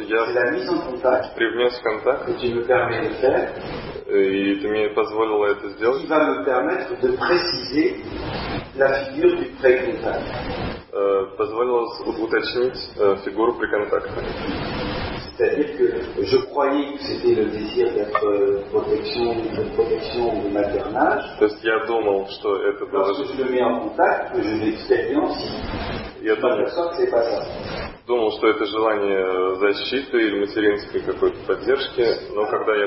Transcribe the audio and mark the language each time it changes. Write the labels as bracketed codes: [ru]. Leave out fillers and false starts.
[ru] я привнес в контакт, и ты мне позволила это сделать. Позволило уточнить фигуру при контакте. [fr] C'est-à-dire que je croyais que c'était le désir d'être protection ou maternage. [ru] То есть я думал, что это было. [fr] Lorsque je le mets en contact, que je l'expérience. [ru] Я думал, что это желание защиты или материнской какой-то поддержки, но когда я